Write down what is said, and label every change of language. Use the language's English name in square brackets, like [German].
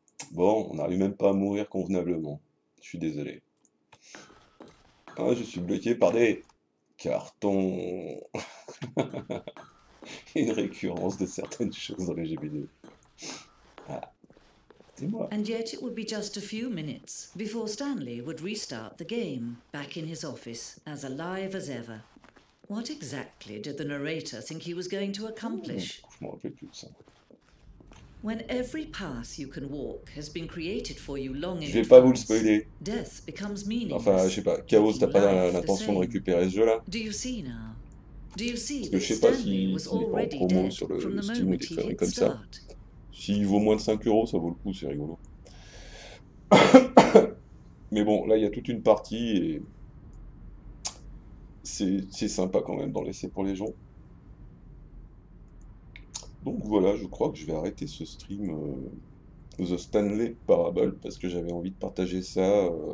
[French] Bon, on n'arrive même pas à mourir convenablement. Je suis désolé. Ah, je suis bloqué par des cartons. Une récurrence de certaines choses dans les jeux vidéo. Ah. Dis-moi. [English] And yet it would be just a few minutes before Stanley would restart the game, back in his office, as alive as ever. What exactly did the narrator think he was going to accomplish? [French] Je m'en rappelle plus de ça. [English] When every path you can walk has been created for you long in advance, death becomes meaningless. [French] Enfin, je sais pas, Chaos, t'as pas l'intention de récupérer ce jeu-là? [English] Do you see now? Do you see that Stanley was already dead from the moment he hit start? [French] S'il vaut moins de 5 euros, ça vaut le coup, c'est rigolo. Mais bon, là, il y a toute une partie et c'est sympa quand même d'en laisser pour les gens. Donc voilà, je crois que je vais arrêter ce stream The Stanley Parable parce que j'avais envie de partager ça.